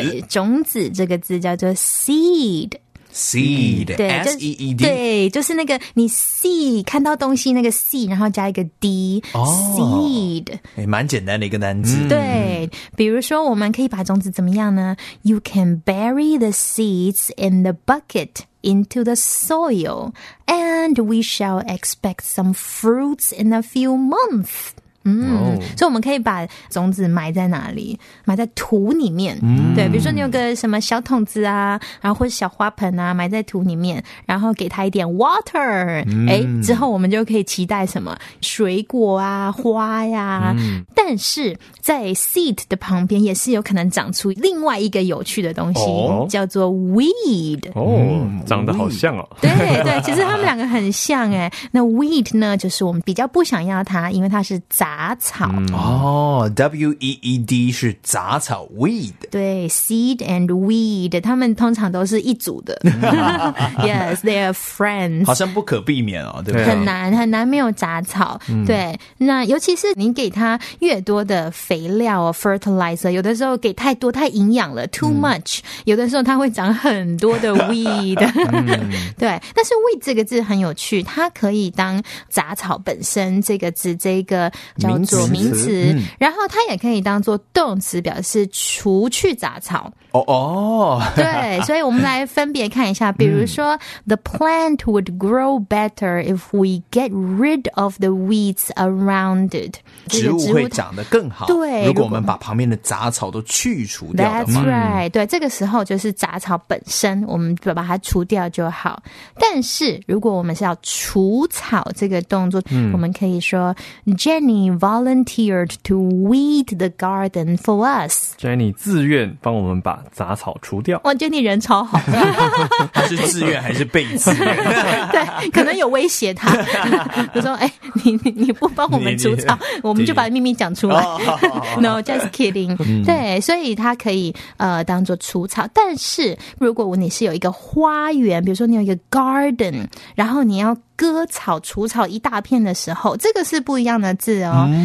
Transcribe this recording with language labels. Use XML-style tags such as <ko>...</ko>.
<zh>对，种子这个字叫做 seed。</zh> <en>Seed, S-E-E-D.</en> <zh>对，就是那个你 see 看到东西那个 see 然后加一个 D、 oh,</zh> <en>Seed</en> <zh>也蛮简单的一个单字。对，比如说我们可以把种子怎么样呢？</zh> <en>You can bury the seeds in the bucket into the soil and we shall expect some fruits in a few months.</en> <zh>所以我们可以把种子埋在哪里？埋在土里面。对，比如说你有个什么小桶子啊，然后或者小花盆啊，埋在土里面，然后给它一点 water。之后我们就可以期待什么水果啊花呀。但是在 seed 的旁边也是有可能长出另外一个有趣的东西、叫做 weed。长得好像哦。对对，其实他们两个很像诶。那 weed 呢就是我们比较不想要它，因为它是杂草。 W-E-E-D 是杂草 weed。对，</zh> <en>seed and weed,</en> <zh>他们通常都是一组的。</zh> <en>yes, they are friends.</en> <zh>好像不可避免哦，对不对？很难很难没有杂草。对，那尤其是你给它越多的肥料哦 ,fertilizer, 有的时候给太多太营养了 ,</zh> <en>too much,</en> <zh>有的时候它会长很多的 weed. 对，但是 weed 这个字很有趣，它可以当杂草本身这个字，这个叫做名词、然后它也可以当做动词，表示除去杂草。对，所以我们来分别看一下，比如说</zh> <en>the plant would grow better if we get rid of the weeds around it。</en> <zh>植物会长得更好，对，如果我们把旁边的杂草都去除掉的话。</zh> <en>That's right,</en> <zh>对，这个时候就是杂草本身我们把它除掉就好。但是如果我们是要除草这个动作、我们可以说 Jenny</zh> <en>volunteered to weed the garden for us.</en> <zh>Jenny 自愿帮我们把杂草除掉。哇 ，Jenny 人超好。他是自愿还是被自愿？对，可能有威胁他，就说：“哎、欸，你不帮我们除草，我们就把秘密讲出来。</zh> <en>”No, just kidding.</en> <zh>对，所以他可以当做除草。但是如果你是有一个花园，比如说你有一个 garden， 然后你要割草除草一大片的时候，这个是不一样的字哦。</zh>